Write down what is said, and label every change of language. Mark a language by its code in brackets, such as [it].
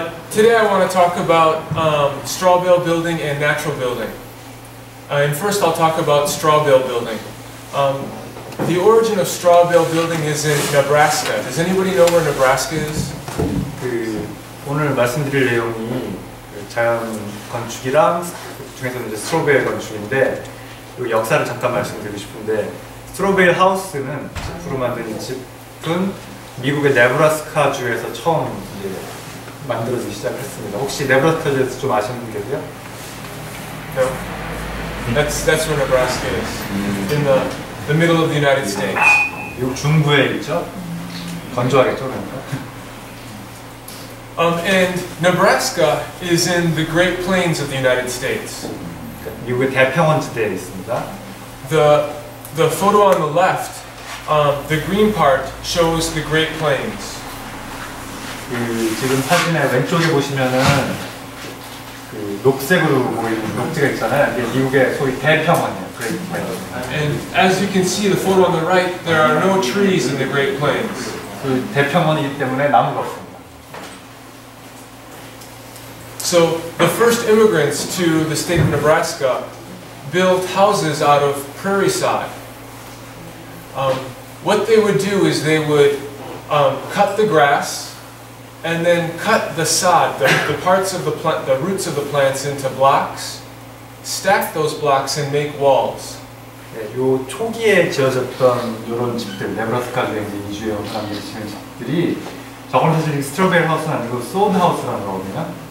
[en] Today I want to talk about straw bale building and natural building. And first I'll talk about straw bale building. The origin of straw bale building is in Nebraska. Does anybody know where Nebraska is? [ko] 그 오늘 말씀드릴 내용이 자연 건축이랑 중에서 이제 straw bale 건축인데 그 역사를 잠깐 말씀드리고 싶은데 straw bale 하우스는 제품으로 만든 집은 미국의 네브라스카 주에서 처음 이제 만들어지기 시작했습니다. 혹시 네브라스카 주에서 좀 아시는 계세요? [en] No. That's where Nebraska is. In the middle of the United States. [ko] 요 중부에 있죠? 건조하겠죠, 그러니까. [en] And Nebraska is in the Great Plains of the United States. [ko] 미국의 대평원 지대에 있습니다. [en] The photo on the left. The green part shows the Great Plains. [ko] 그 지금 사진의 왼쪽에 보시면은 그 녹색으로 보이는 녹지가 있잖아요. 이게 미국의 소위 대평원이에요. [en] Great Plains. And as you can see, the photo on the right, there are no trees in the Great Plains. [ko] 그 대평원이기 때문에 나무가 없습니다. [en] So the first immigrants to the state of Nebraska built houses out of prairie sod. What they would do is they would cut the grass and then cut the sod, the parts of the plant, the roots of the plants into blocks, stack those blocks and make walls. [ko] 네, 요 초기에 지어졌던 요런 집들, 네브라스카주에 이제 이주해온 사람들이 저건 사실 스트로베일 하우스는 아니고 소드 하우스라는 거거든요.